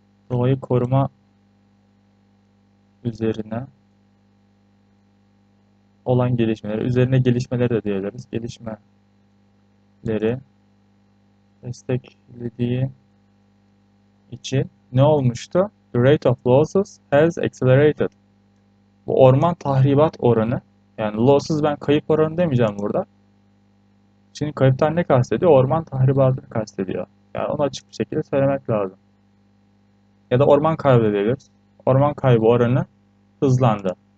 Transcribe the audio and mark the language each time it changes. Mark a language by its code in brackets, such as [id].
[tr] doğayı koruma üzerine olan gelişmeleri, üzerine gelişmeleri de diyebiliriz. Gelişmeleri desteklediği için ne olmuştu? [en] The rate of losses has accelerated. [tr] Bu orman tahribat oranı, yani losses ben kayıp oranı demeyeceğim burada. Şimdi kayıptan ne kastediyor? Orman tahribatını kastediyor. Yani onu açık bir şekilde söylemek lazım. Ya da orman kaybı diyebiliriz. Orman kaybı oranı hızlandı.